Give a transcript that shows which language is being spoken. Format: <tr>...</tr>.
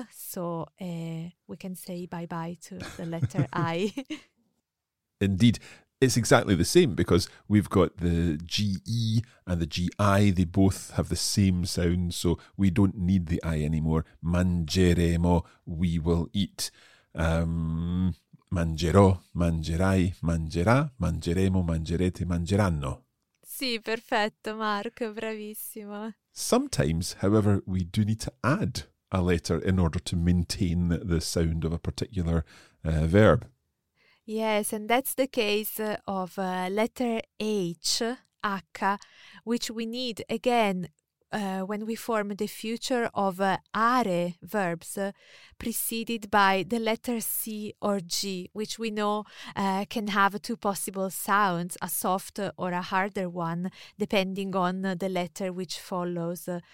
<en>So we can say bye-bye to the letter I. Indeed. It's exactly the same because we've got the GE and the GI, they both have the same sound, so we don't need the I anymore. Mangeremo, we will eat.</en> <it>Mangerò, mangerai, mangerà, mangeremo, mangerete, mangeranno. Sì, perfetto, Marco, bravissimo.</it> <en>Sometimes, however, we do need to add a letter in order to maintain the sound of a particular verb. Yes, and that's the case of letter H, H, which we need, again, when we form the future of are verbs, preceded by the letter C or G, which we know can have two possible sounds, a soft or a harder one, depending on the letter which follows.</en>